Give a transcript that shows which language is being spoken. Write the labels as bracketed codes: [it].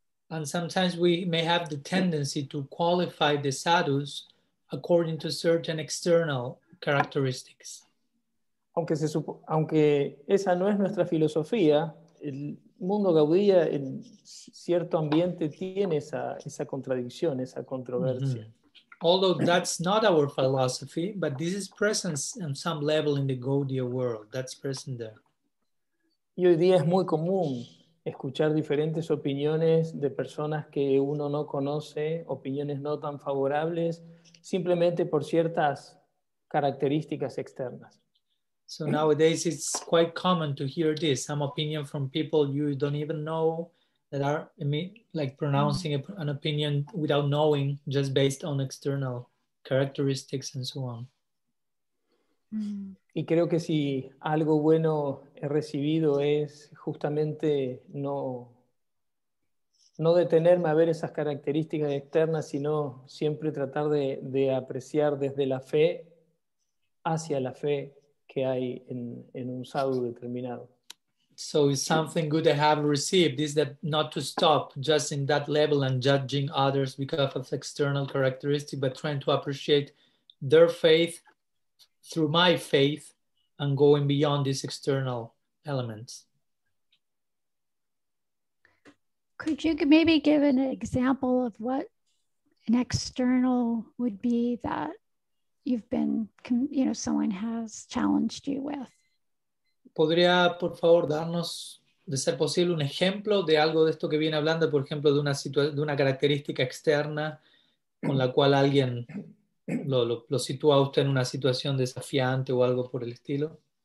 [en] And sometimes we may have the tendency to qualify the sadhus according to certain external characteristics. [es] aunque, se supo, aunque esa no es nuestra filosofía, el mundo gaudía en cierto ambiente tiene esa contradicción, esa controversia. Mm-hmm. [en] Although that's not our philosophy, but this is present on some level in the Gaudiya world. That's present there. [es] Y hoy día es muy común escuchar diferentes opiniones de personas que uno no conoce, opiniones no tan favorables, simplemente por ciertas características externas. [en] So nowadays it's quite common to hear this, some opinion from people you don't even know that are like pronouncing an opinion without knowing, just based on external characteristics and so on. [es] Y creo que si algo bueno he recibido es justamente no detenerme a ver esas características externas, sino siempre tratar de apreciar desde la fe hacia la fe que hay en un sadhu determinado. [en] So it's something good I have received is that not to stop just in that level and judging others because of external characteristics, but trying to appreciate their faith through my faith and going beyond these external elements. Could you maybe give an example of what an external would be that you've been, you know, someone has challenged you with? [es] ¿Podría, por favor, darnos, de ser posible, un ejemplo de algo de esto que viene hablando, por ejemplo, de una situación, de una característica externa con la cual alguien lo sitúa a usted en una situación desafiante o algo por el estilo?